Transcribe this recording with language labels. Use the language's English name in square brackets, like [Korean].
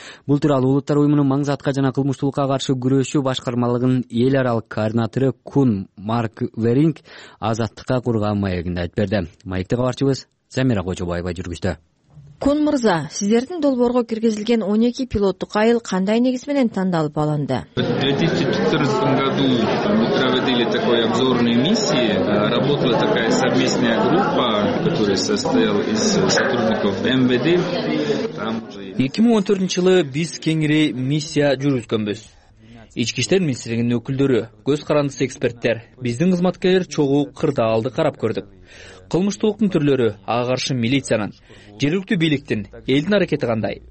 [Kyrgyz] Бул тууралуу улуттар уюмунун маңзатка жана кылмыштуулукка каршы күрөшүү башкармалыгынын эл аралык координатору Кун Марк Веринг Азаттыкка курган маегинде айтып берди. Маекти кабарчыбыз Замира Кожобаева жүргүздү. Кун мырза, сиздердин долбоорго киргизилген 12 пилоттук айыл кандай негиз менен тандалып алынды? [Russian] В 2014 году мы проводили такой обзор на эмиссии. Работала такая совместная группа, которая состояла из сотрудников МВД. [Kyrgyz] 2014 жылы биз кеңири миссия жүргүзгөнбүз. Ички иштер министрлигинин өкүлдөрү, көз карандысы эксперттер, биздин кызматкерлер чогуу кырдаалды карап көрдүк. Кылмыштуулуктун түрлөрү, ага каршы милициянын, жергиликтүү бийликтин, элдин аракети кандай?